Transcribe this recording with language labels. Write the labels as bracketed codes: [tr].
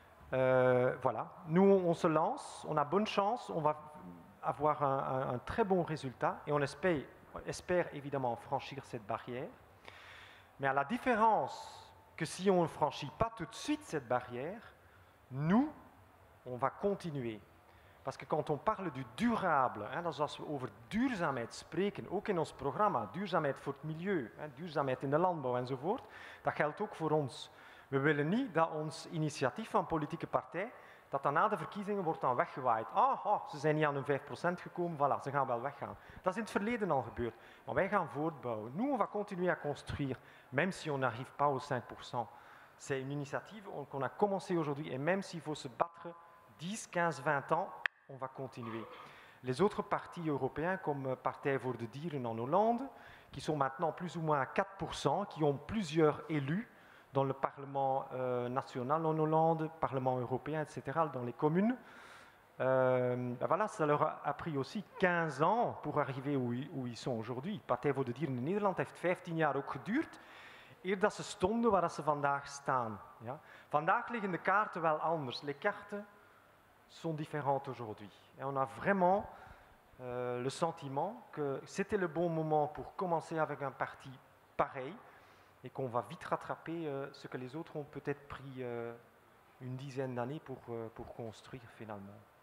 [fr] Voilà, nous on se lance, on a bonne chance, on va avoir un très bon résultat et on espère évidemment franchir cette barrière. Mais à la différence que si on ne franchit pas tout de suite cette barrière, nous, on va continuer. Parce que quand on parle du durable, hein, [nl] als we over duurzaamheid spreken, ook in ons programma, duurzaamheid voor het milieu, hein, duurzaamheid in de landbouw enzovoort, dat geldt ook voor ons. We willen niet dat ons initiatief van politieke partij, dat dan na de verkiezingen wordt dan weggewaaid. Ze zijn niet aan hun 5% gekomen, voilà, ze gaan wel weggaan. Dat is in het verleden al gebeurd. Maar wij gaan voortbouwen. [fr] Nous, on va continuer à construire, même si on n'arrive pas aux 5%. C'est une initiative qu'on a commencé aujourd'hui. Et même s'il faut se battre 10, 15, 20 ans, on va continuer. Les autres partis européens, comme Partij voor de Dieren en Hollande, qui sont maintenant plus ou moins à 4%, qui ont plusieurs élus, dans le Parlement national en Hollande, Parlement européen, etc., dans les communes. Ben voilà, ça leur a pris aussi 15 ans pour arriver où ils sont aujourd'hui. [nl] Partij voor de Dieren in Nederland heeft 15 jaar ook geduurd, eer dat ze stonden waar ze vandaag staan. Ja? Vandaag liggen de kaarten wel anders. [fr] Les cartes sont différentes aujourd'hui. Et on a vraiment le sentiment que c'était le bon moment pour commencer avec un parti pareil, et qu'on va vite rattraper ce que les autres ont peut-être pris une dizaine d'années pour construire finalement.